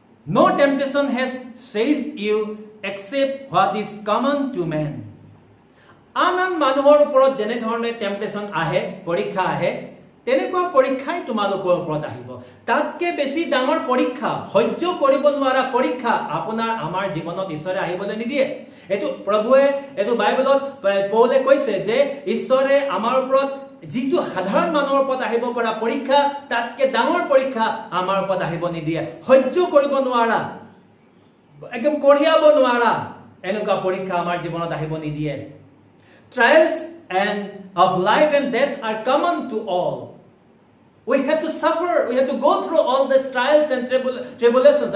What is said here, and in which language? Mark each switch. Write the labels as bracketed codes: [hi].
[en] No temptation has seized you except what is common to man. [as] আন আন মানুহৰ ওপৰত যেনেধৰণে টেম্পেচন আহে পৰীক্ষা আহে তেনেকুৱা পৰীক্ষাই তোমালোকৰ ওপৰত আহিব তাতকৈ বেছি ডাঙৰ পৰীক্ষা সহ্য কৰিব নোৱাৰা পৰীক্ষা আপোনাৰ আমাৰ জীৱনত ঈশ্বৰে আহিবলৈ নিদিয়ে এইটো প্ৰভুৱে এইটো বাইবেলত পৌলে কৈছে যে ঈশ্বৰে আমাৰ ওপৰত যিটো সাধাৰণ মানুহৰ ওপৰত আহিব পৰা পৰীক্ষা তাতকৈ ডাঙৰ পৰীক্ষা আমাৰ ওপৰত আহিব নিদিয়ে সহ্য কৰিব নোৱাৰা একদম কঢ়িয়াব নোৱাৰা এনেকুৱা পৰীক্ষা আমাৰ জীৱনত আহিব নিদিয়ে [en] Trials and of life and death are common to all. We have to suffer. We have to go through all these trials and tribulations.